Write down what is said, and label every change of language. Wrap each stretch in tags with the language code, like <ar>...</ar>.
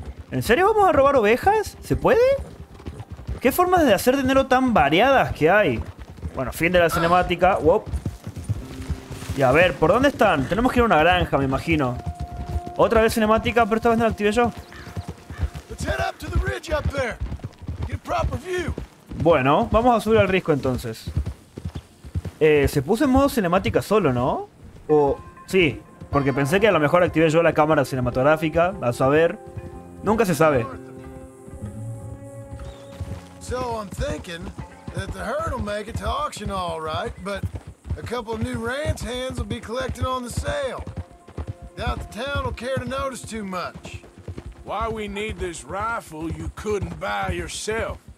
<es>¿En serio vamos a robar ovejas? ¿Se puede? ¿Qué formas de hacer dinero tan variadas que hay? Bueno, fin de la cinemática. Wow. Y a ver, ¿por dónde están? Tenemos que ir a una granja, me imagino. Otra vez cinemática, pero esta vez no la activé yo.</es> <en>Let's head up to the ridge up there. Get a proper view.</en> <es>Bueno, vamos a subir al risco entonces. Se puso en modo cinemática solo, ¿no? O... sí, porque pensé que a lo mejor activé yo la cámara cinematográfica. A saber, nunca se sabe.</es> <en>So I'm thinking that the herd will make it to auction all right, but a couple of new ranch hands will be collecting on the sale. Doubt the town will care to notice too much. Why we need this rifle you couldn't buy yourself?</en>